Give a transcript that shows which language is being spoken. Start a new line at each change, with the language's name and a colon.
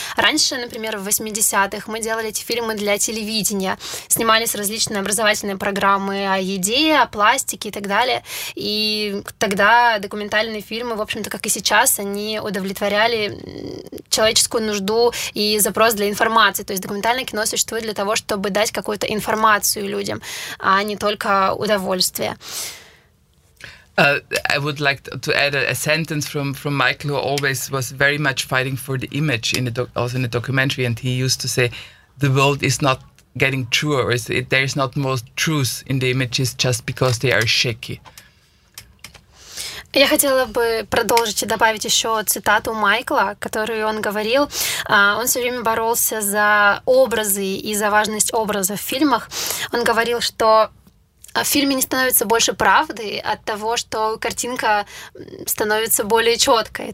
Russian: Раньше, например, в 80-х мы делали эти фильмы для телевидения, снимались различные образовательные программы о еде, о пластике и так далее. И тогда документальные фильмы, в общем-то, как и сейчас, они удовлетворяли человеческую нужду и запрос для информации. То есть документальное кино существует для того, чтобы дать какую-то информацию людям, а не только удовольствие.
English: I would like to add a sentence from Michael, who always was very much fighting for the image in the documentary, and he used to say, the world is not getting truer, or there is not more truth in the images just because they are shaky.
Russian: Я хотела бы продолжить и добавить еще цитату Майкла, которую он говорил. Он все время боролся за образы и за важность образа в фильмах. Он говорил, что в фильме не становится больше правды от того, что картинка становится более четкой.